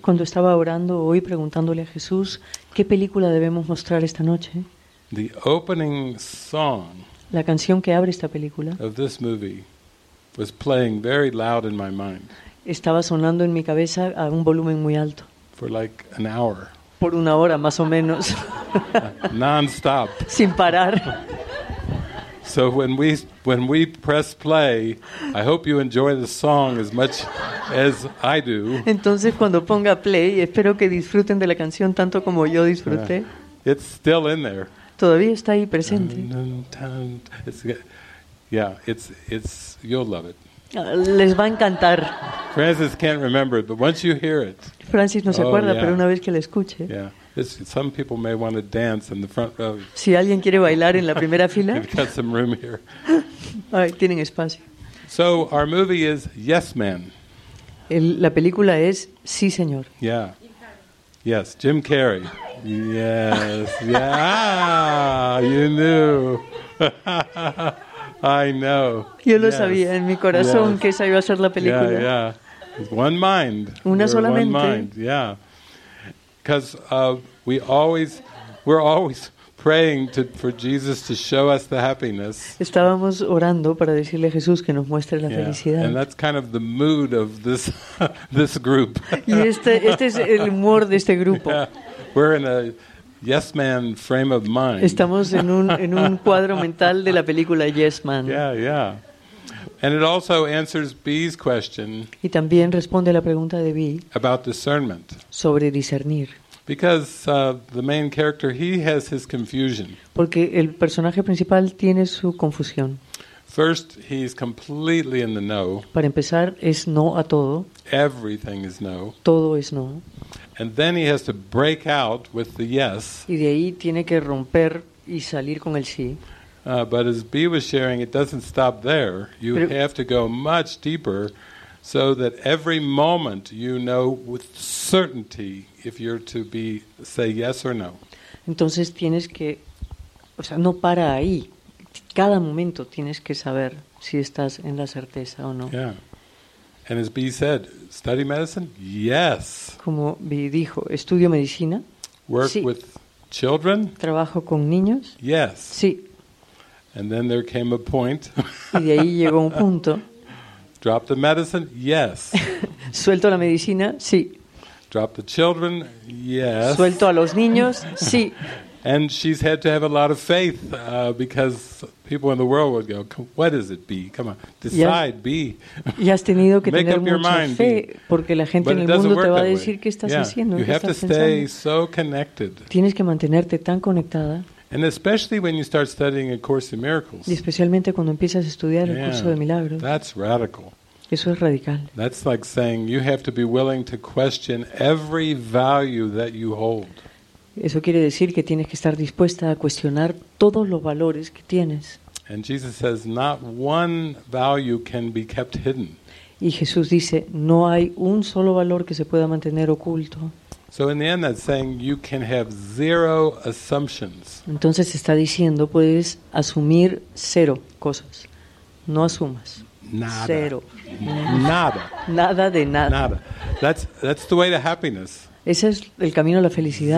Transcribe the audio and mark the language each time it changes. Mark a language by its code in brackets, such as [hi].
[es] Cuando estaba orando hoy preguntándole a Jesús qué película debemos mostrar esta noche. [en] The opening song. [es] La canción que abre esta película. [en] Of this movie was playing very loud in my mind. [es] Estaba sonando en mi cabeza a un volumen muy alto. [en] For like an hour. [es] Por una hora más o menos. [en] Non-stop. [es] Sin parar. [en] So when we press play, I hope you enjoy the song as much as I do. [es] Entonces cuando ponga play, espero que disfruten de la canción tanto como yo disfruté. [en] It's still in there. [es] Todavía está ahí presente. [en] It's you'll love it. [es] Les va a encantar. [en] Francis can't remember it, but once you hear it. [es] Francis no se acuerda, yeah. Pero una vez que la escuche. Yeah. [en] Some people may want to dance in the front row. [es] Si alguien quiere bailar en la primera fila. [en] We've got some room here. All right, [es] tienen espacio. [en] So our movie is Yes Man. [es] La película es Sí Señor. [en] Yeah. Yes, Jim Carrey. Yes. Yeah. You knew. I know. [es] Yo lo sabía en mi corazón que esa iba a ser la película. [en] Yeah, yeah. One mind. [es] Una sola mente. [en] One mind. Yeah. Because we're always praying for Jesus to show us the happiness. [es] Estábamos orando para decirle a Jesús que nos muestre la felicidad. [en] And that's kind of the mood of this group. [es] Y este es el humor de este grupo. Yeah. [en] We're in a Yes Man frame of mind. [es] Estamos en un cuadro mental de la película Yes Man. [en] Yeah, yeah. And it also answers B's question. [es] Y también responde la pregunta de B. [en] About discernment. [es] Sobre discernir. [en] Because the main character, he has his confusion. [es] Porque el personaje principal tiene su confusión. [en] First, he's completely in the know. [es] Para empezar, es no a todo. [en] Everything is no. [es] Todo es no. [en] And then he has to break out with the yes. [es] Y de ahí tiene que romper y salir con el sí. [en] But as B was sharing, it doesn't stop there. You have to go much deeper so that every moment you know with certainty if you're to be say yes or no. [es] Entonces tienes que, no para ahí. Cada momento tienes que saber. si estás en la certeza o no. [en] Yeah. And as B said, study medicine? Yes. [es] Como B dijo, estudio medicina. [en] Work [es] sí. [en] with children? [es] Trabajo con niños. [en] Yes. [es] Sí. [en] And then there came a point. [es] Y de ahí llegó un punto. [en] Drop the medicine? Yes. [es] Suelto la medicina? Sí. [en] Drop the children? Yes. [es] Suelto a los niños? Sí. [en] And she's had to have a lot of faith because people in the world would go, what is it, B? Come on, decide, B. [es] Y has tenido que tener mucha mind, fe porque la gente en el mundo te va a decir qué estás haciendo, qué estás [en] pensando. You have to stay so connected. [es] Tienes que mantenerte tan conectada. [en] And especially when you start studying a course in miracles. [es] Y especialmente cuando empiezas a estudiar el curso de milagros. [en] That's radical. [es] Eso es radical. [en] That's like saying you have to be willing to question every value that you hold. [es] Eso quiere decir que tienes que estar dispuesta a cuestionar todos los valores que tienes. [en] And Jesus says not one value can be kept hidden. [es] Y Jesús dice, no hay un solo valor que se pueda mantener oculto. [en] So in the end that's saying you can have zero assumptions. [es] Entonces está diciendo puedes asumir cero cosas. No asumas. Nada. Cero. Nada. Nada de nada. [en] Nada. That's the way to happiness. [es] Ese es el camino a la felicidad.